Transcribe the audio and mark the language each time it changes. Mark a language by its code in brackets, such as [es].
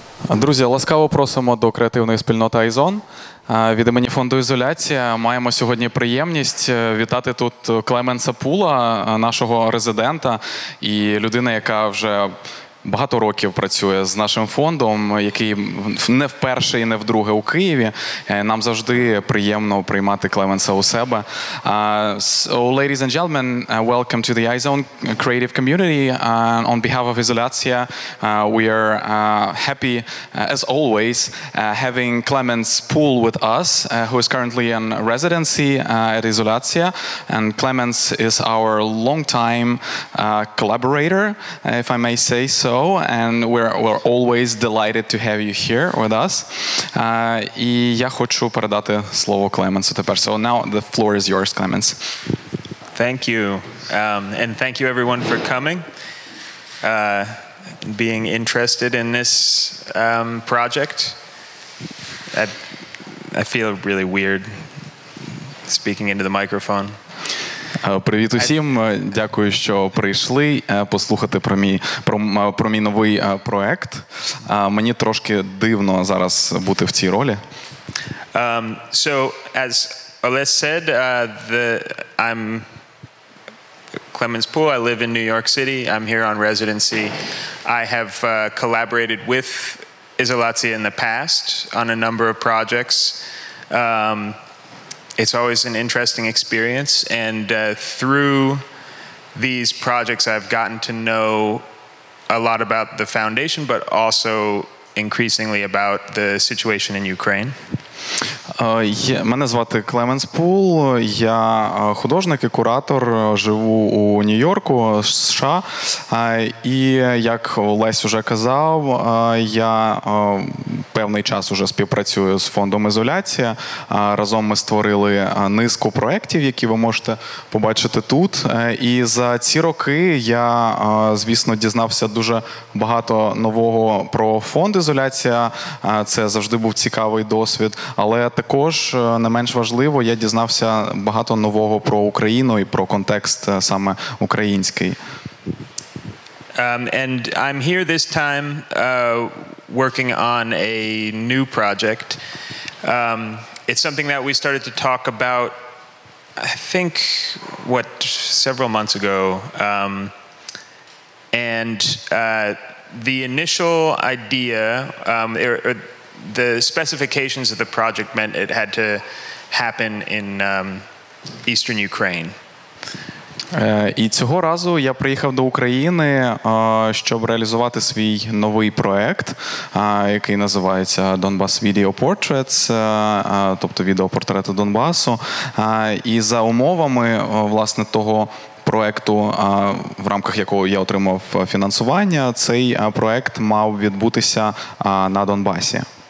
[uk] Друзі, ласкаво просимо до креативної спільноти IZONE. Від імені фонду «Ізоляція» маємо сьогодні приємність вітати тут Клеменса Пула, нашого резидента і людини, яка вже багато років працює з нашим фондом, який не вперше і не вдруге у Києві. Нам завжди приємно приймати Клеменса у себе. [en] So, ladies and gentlemen, welcome to the IZONE creative community. On behalf of Isolacja, we are happy, as always, having Clemens Pool with us, who is currently in residency at Isolacja. And Clemens is our long-time collaborator, if I may say so. And we're always delighted to have you here with us. І я хочу передати слово Клеменсу тепер. So now the floor is yours, Clemens. Thank you. And thank you everyone for coming, being interested in this project. I feel really weird speaking into the microphone. [uk] Привіт усім. Дякую, що прийшли послухати про мій новий проект. Мені трошки дивно зараз бути в цій ролі. [en] So as Oles said, I'm Clemens Pool. I live in New York City. I'm here on residency. I have collaborated with Isolacja in the past on a number of projects. It's always an interesting experience, and through these projects I've gotten to know a lot about the foundation, but also increasingly about the situation in Ukraine. [uk] Мене звати Клеменс Пул, я художник і куратор, живу у Нью-Йорку, США. І, як Олесь вже казав, я певний час уже співпрацюю з фондом «Ізоляція». Разом ми створили низку проєктів, які ви можете побачити тут. І за ці роки я, звісно, дізнався дуже багато нового про фонд «Ізоляція». Це завжди був цікавий досвід. Але також, не менш важливо, я дізнався багато нового про Україну і про контекст саме український. [en] And I'm here this time working on a new project. It's something that we started to talk about, I think, what, several months ago. The initial idea, the specifications of the project meant it had to happen in eastern Ukraine. [uk] І цього разу я приїхав до України, щоб реалізувати свій новий проект, який називається Donbas Video Portraits, тобто відеопортрети Донбасу. І за умовами, власне, того проекту, в рамках якого я отримав фінансування, цей проект мав відбутися на Донбасі.